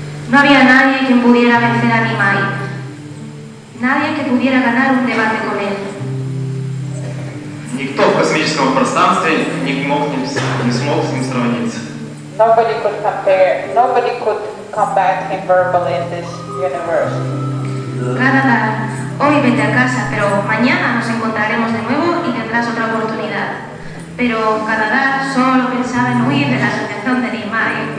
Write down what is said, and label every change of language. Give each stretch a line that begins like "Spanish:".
Spanish: No había nadie quien pudiera vencer a Nimai. Nadie que pudiera ganar un debate con él.
Russian: Никто в космическом пространстве не смог с ним сравниться.
English: Nobody could compare. Nobody could combat him verbally in this universe.
Spanish: Gadadhar, hoy vete a casa, pero mañana nos encontraremos de nuevo y tendrás otra oportunidad. Pero Gadadhar solo pensaba en huir de la asociación de Nimai.